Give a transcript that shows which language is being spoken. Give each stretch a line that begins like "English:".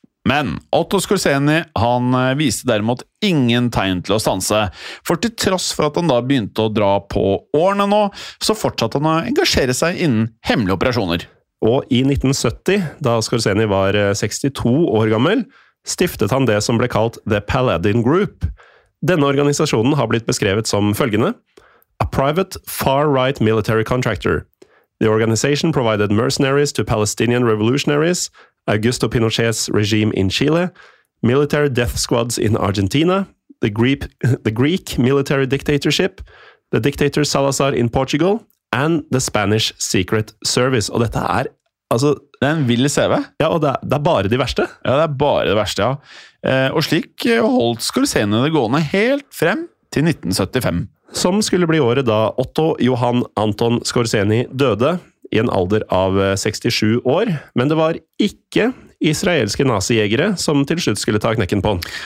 Norwegian: Men Otto Scorsini, han viste derimot ingen tegn til å stanse, for til tross for at han da begynte å dra på årene nå, så fortsatte han å engasjere seg innen hemmelige operasjoner. Og i 1970, da Scorsini var 62 år gammel, stiftet han det som ble kalt The Paladin Group. Denne organisasjonen har blitt beskrevet som følgende.
English: A private far-right military contractor. The organization provided mercenaries to Palestinian revolutionaries, Augusto Pinochet's regime in Chile, military death squads in Argentina, the Greek military dictatorship, the dictator Salazar in Portugal, and the Spanish secret service.
Norwegian: Og dette er, altså... Det er en vild CV. Ja, og det er bare de verste. Ja, det er bare det verste, ja. Og slik holdt Skorsenene gående helt frem til 1975. Som skulle bli året da Otto Johan Anton Skorzeny døde I en alder av 67 år, men det var ikke israelske nazijegere som til slutt skulle ta knekken på han.